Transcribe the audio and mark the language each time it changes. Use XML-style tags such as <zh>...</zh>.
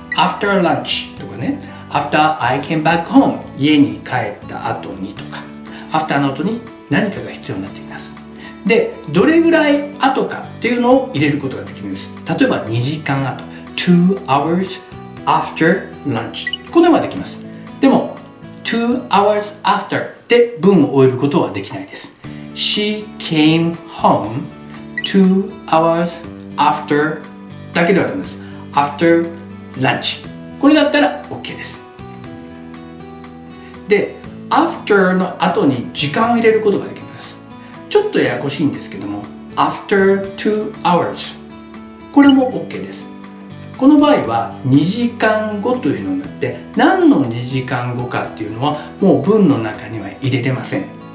<ja>after lunch とかね、</ja> <en>after I came back home、</en> <ja>家に帰った後にとか、 after の後に何かが必要になってきます。で、どれぐらい後かっていうのを入れることができます。例えば2時間後、</ja> <en>2 hours after lunch、</en> <ja>このままできます。でも2 hours afterで文を終えることはできないです。</ja> <en>She came home 2 hours after</en> <ja>だけではダメです。 After lunch、 これだったら OK です。で、 after の後に時間を入れることができます。ちょっとややこしいんですけども、 After 2 hours、 これも OK です。この場合は2時間後というふうになって、何の2時間後かっていうのはもう文の中には入れれません。</ja>